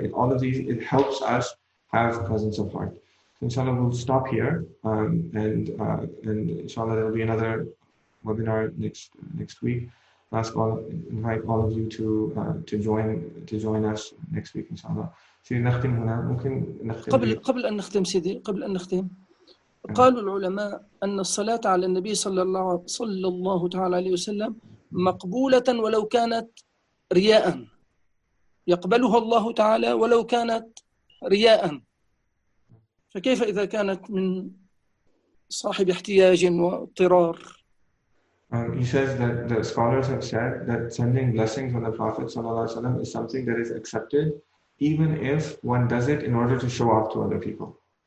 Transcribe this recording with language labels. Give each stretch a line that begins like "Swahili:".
English: It helps us have presence of heart. Inshallah, we'll stop here. And inshallah, there'll be another webinar next week. I'll ask all, invite all of you to join us next week, inshallah.
Arabic: سيدي نختم هنا. ممكن نختم قبل أن نختم سيدي، قبل أن نختم. قال العلماء أن الصلاة على النبي صلى الله تعالى عليه وسلم مقبولة ولو كانت رياء، يقبلها الله تعالى ولو كانت رياء، فكيف إذا كانت من صاحب احتياج واضطرار؟
English: He says that the scholars have said that sending blessings on the Prophet صلى الله عليه وسلم is something that is accepted even if one does it in order to show off to other people.